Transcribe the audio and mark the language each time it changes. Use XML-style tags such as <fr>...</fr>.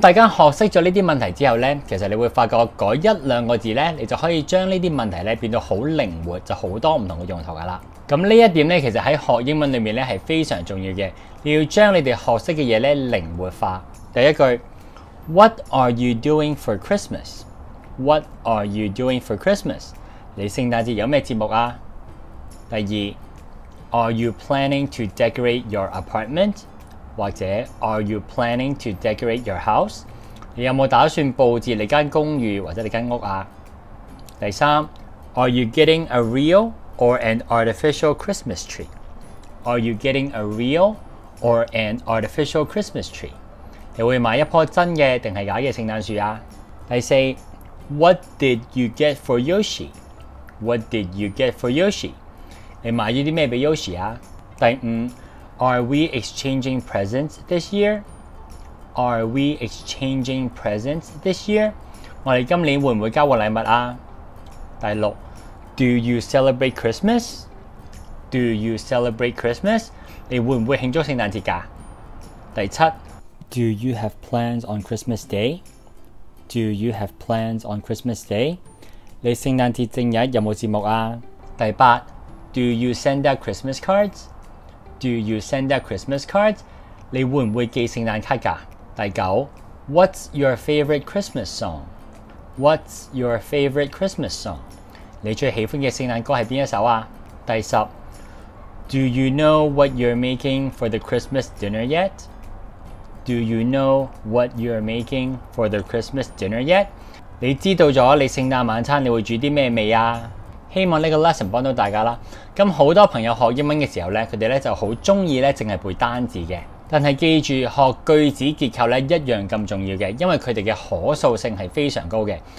<yue>大家學識了這些問題之後，其實你會發覺改一兩個字，你就可以將這些問題變得很靈活，就很多不同的用途了。這一點其實在學英文裡面是非常重要的，你要將你們學識的東西靈活化。</yue> <en>第一句， What are you doing for Christmas? What are you doing for Christmas?</en> <yue>你聖誕節有什麼節目啊？</yue> <en>第二， Are you planning to decorate your apartment? 或者 Are you planning to decorate your house?</en> <yue>你有沒有打算佈置你間公寓或者你間屋啊？</yue> <en>第三， Are you getting a real or an artificial Christmas tree? Are you getting a real or an artificial Christmas tree?</en> <yue>你會買一棵真的還是假的聖誕樹啊？</yue> <en>第四，What did you get for Yoshi? What did you get for Yoshi?</en> <yue>你買了什麼給 Yoshi 啊？</yue> <en>第五， Are we exchanging presents this year? Are we exchanging presents this year?</en> <yue>我們今年會不會交過禮物啊？</yue> <en>第六， Do you celebrate Christmas? Do you celebrate Christmas?</en> <yue>你會不會慶祝聖誕節啊？</yue> <en>第七， Do you have plans on Christmas Day? Do you have plans on Christmas Day?</en> <yue>你聖誕節正日有沒有節目啊？</yue> <en>第八， Do you send out Christmas cards? Do you send out Christmas cards?</en> <yue>你會不會寄聖誕卡噶？第九，</yue> <en>What's your favorite Christmas song? What's your favorite Christmas song?</en> <yue>你最喜歡的聖誕歌是哪一首啊？</yue> <en>第十， Do you know what you're making for the Christmas dinner yet? Do you know what you're making for the Christmas dinner yet?</en> <yue>你知道了你聖誕晚餐你會煮什麼味啊？希望這個 lesson 幫到大家啦。很多朋友學英文的時候，他們就很喜歡只是背單字的。但是記住，學句子結構一樣那麼重要的，因為他們的可塑性是非常高的。</yue>